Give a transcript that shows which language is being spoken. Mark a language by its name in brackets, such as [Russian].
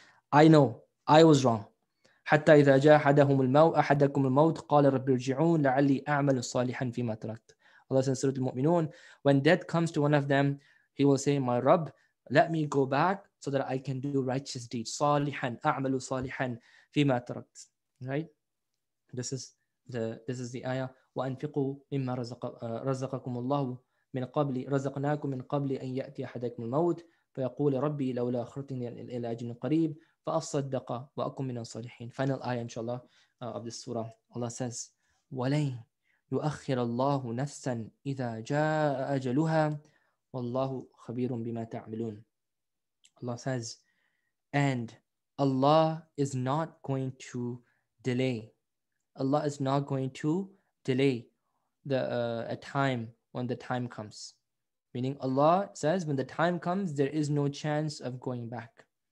[English] I know, I was wrong. [Arabic] حَتَّى إِذَا جَاءَ أَحَدَهُمُ الْمَوْتُ أَحَدَكُمُ الْمَوْتُ قَالَ رَبِّ ارْجِعُونَ لَعَلِّي أَعْمَلُ صَالِحًا فِي مَا تَرَكْتُ. [English] Allah says, Surah Al-Mu'minun, when death comes to one of them, he will say, my Rabb, let me go back so that I can do righteous deeds. [Arabic] صَالِحًا أَعْمَلُ صَالِحًا فِي مَا تَرَكْتُ. [English] Right? This is the ayah. [Arabic] وَأَنْفِقُوا مِمَّا رَزَقَكُمُ اللَّهُ مِنْ قَبْلِ رَزَقْنَاكُمْ مِنْ قَبْلِ أَنْ يَأْتِيَ أَحَدَكُمُ الْمَوْتُ فَيَقُولَ رَبِّي لَوْلَا أَخَّرْتَنِي إِلَى أَجَلٍ قَرِيبٍ فَأَصَّدَّقَ وَأَكُنْ مِنَ الصَّالِحِينَ. [English] Final ayah, inshallah, of this surah. Allah says, [Arabic] وَلَنْ يُؤَخِّرَ اللَّهُ نَفْسًا إِذَا جَاءَ أَجَلُهَا وَاللَّهُ خَبِيرٌ بِمَا تَعْمَلُونَ. [English] Allah says, and Allah is not going to delay. Allah is not going to delay the a time when the time comes. Meaning Allah says, when the time comes, there is no chance of going back.